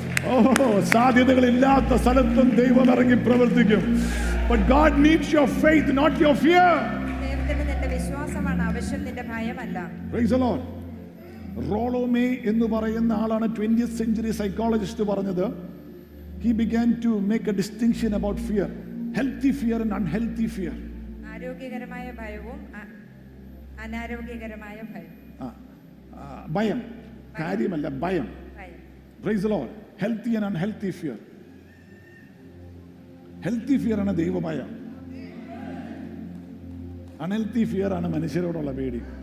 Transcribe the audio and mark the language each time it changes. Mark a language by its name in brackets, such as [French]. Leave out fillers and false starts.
[Malayalam] ഓ, സാധ്യതകൾ ഇല്ലാത്ത സ്ഥലത്തും ദൈവം ഇറങ്ങി പ്രവർത്തിക്കും. [English] But God needs your faith, not your fear. Praise the Lord. [Malayalam] റോളോ may എന്ന് പറയുന്ന ആളാണ് [English] 20th century psychologist [Malayalam] പറഞ്ഞത്. [English] He began to make a distinction about fear. Healthy fear and unhealthy fear. [Malayalam] ആരോഗ്യകരമായ ഭയവും അനാരോഗ്യകരമായ ഭയം. ആ ഭയം കാര്യമല്ല, ഭയം. [English] Praise the Lord. Healthy and unhealthy fear. Healthy fear [Malayalam] ആണ് ദൈവഭയം, [English] unhealthy fear [Malayalam] ആണ് മനുഷ്യരോടുള്ള പേടി.